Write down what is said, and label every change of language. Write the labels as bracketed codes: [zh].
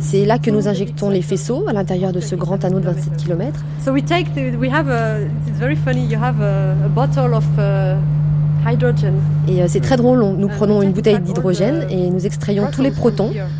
[fr] C'est là que nous injectons les faisceaux à l'intérieur de ce grand anneau de 27 km. [en] So we take the, we have a, it's very funny, you have a bottle of hydrogen. [fr] Et c'est très drôle, nous prenons une bouteille d'hydrogène et nous extrayons tous les protons.